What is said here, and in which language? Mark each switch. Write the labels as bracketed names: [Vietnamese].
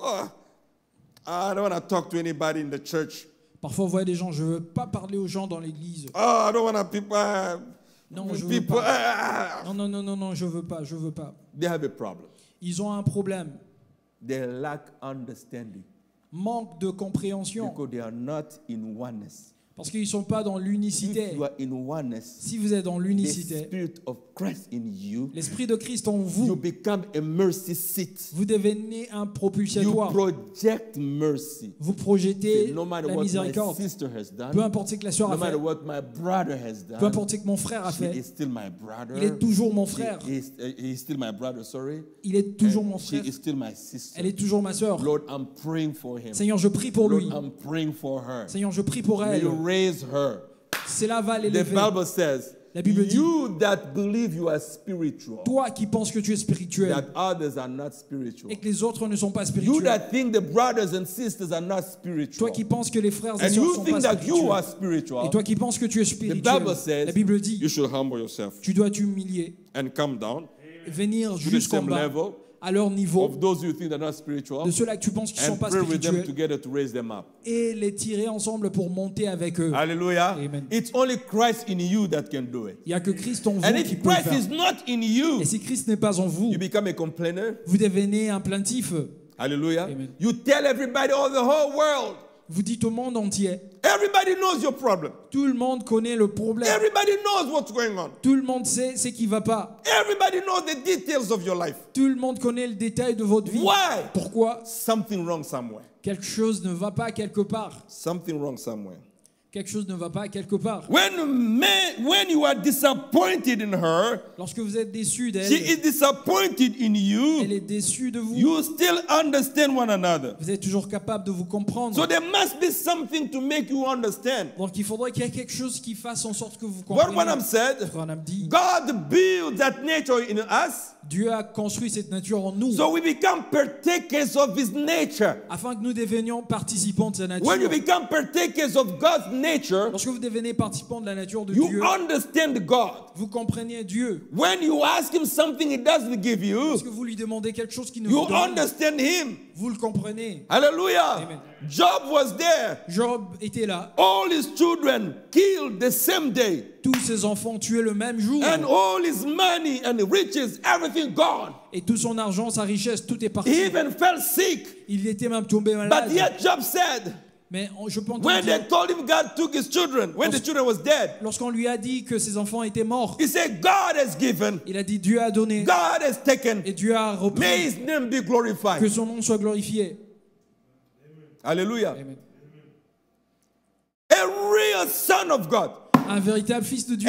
[English] Oh, I don't want to talk to anybody in the church. [French] Parfois, on voit des gens. Je veux pas parler aux gens dans l'église. [English] Oh, I don't want to people. [French] Non, je veux [English] people, [French] pas. Non, je veux pas. Je veux pas. [English] They have a problem. [French] Ils ont un problème. [English] They lack understanding. [French] Manque de compréhension. [English] Because they are not in oneness. [French] Parce qu'ils ne sont pas dans l'unicité. [English] If you are in oneness, [French] si vous êtes dans l'unicité, [English] the spirit of Christ in you, [French] l'Esprit de Christ en vous, [English] you become a mercy seat. [French] Vous devenez un propulsatoire. [English] You project mercy. [French] Vous projetez [English] no matter [French] la miséricorde. [English] My sister has done, [French] peu importe ce que la sœur [English] no [French] a fait. [English] What my brother has done, [French] peu importe ce que mon frère a fait. [English] She is still my brother. [French] Il est toujours mon frère. [English] He is still my brother, sorry. [French] Il est toujours mon frère. [English] She is still my sister. [French] Elle est toujours ma sœur. [English] Lord, I'm praying for him. [French] Seigneur, je prie pour [English] Lord, [French] lui. [English] I'm praying for her. [French] Seigneur, je prie pour elle. [English] Raise her. [French] Cela va l'élever. [English] The Bible says, [French] la Bible dit, [English] you that believe you are spiritual, [French] toi qui penses que tu es spirituel, [English] that others are not spiritual, [French] et que les autres ne sont pas spirituels, [English] you that think the brothers and sisters are not spiritual, [French] toi qui penses que les frères et [English] and [French] sœurs [English] you [French] sont [English] think that [French] spirituels, [English] you are spiritual, [French] et toi qui penses que tu es spirituel, [English] the Bible says, [French] la Bible dit, [English] you should humble yourself, [French] tu dois t'humilier, [English] and come down, [French] venir jusqu'en bas, [English] level, [French] à leur niveau, [English] of those you think they're not spiritual, [French] de ceux-là que tu penses qu'ils ne sont pas spirituels, [English] with them together to raise them up, [French] et les tirer ensemble pour monter avec eux. Alléluia. Amen. [English] It's only Christ in you that can do it. [French] Il n'y a que Christ en vous [English] and [French] qui peut le faire. [English] Is not in you, [French] et si Christ n'est pas en vous, [English] you become a complainer, [French] vous devenez un plaintif. Alléluia. Amen. [English] You tell everybody all the whole world, [French] vous dites au monde entier. [English] Everybody knows your problem. [French] Tout le monde connaît le problème. [English] Everybody knows what's going on. [French] Tout le monde sait ce qui ne va pas. [English] Everybody knows the details of your life. [French] Tout le monde connaît le détail de votre vie. [English] Why? [French] Pourquoi? [English] Something wrong somewhere. [French] Quelque chose ne va pas quelque part. [English] Something wrong somewhere. [French] Quelque chose ne va pas quelque part. [English] When you are disappointed in her, [French] lorsque vous êtes déçu d'elle, [English] she is disappointed in you, [French] elle est déçue de vous, [English] you still understand one another. [French] Vous êtes toujours capable de vous comprendre. [English] So there must be something to make you understand. [French] Donc il faudrait qu'il y ait quelque chose qui fasse en sorte que vous compreniez. [English] What Branham said, [French] Branham dit, [English] God builds that nature in us, [French] Dieu a construit cette nature en nous, [English] so we become partakers of his nature, [French] afin que nous devenions participants de sa nature. [English] When you become partakers of God's nature, nature, [French] lorsque vous devenez participant de la nature de [English] you [French] Dieu, [English] understand God. [French] Vous comprenez Dieu. [English] When you ask him something he doesn't give you, [French] lorsque vous lui demandez quelque chose qu'il ne [English] you [French] vous donne, [English] understand him. [French] Vous le comprenez. [English] Hallelujah. Job was there. [French] Job était là. [English] All his children killed the same day. [French] Tous ses enfants tués le même jour. [English] And all his money and riches, everything gone. [French] Et tout son argent, sa richesse, tout est parti. [English] He even fell sick. [French] Il était même tombé malade. [English] But yet Job said, [French] mais je peux [English] when they told him God took his children, when the children was dead, [French] lorsqu'on lui a dit que ses enfants étaient morts, [English] he said God has given, [French] il a dit Dieu a donné, [English] God has taken, [French] et Dieu a repris, [English] may his name be glorified, [French] que son nom soit glorifié. Alléluia. Amen. [English] A real son of God, [French] un véritable fils de Dieu,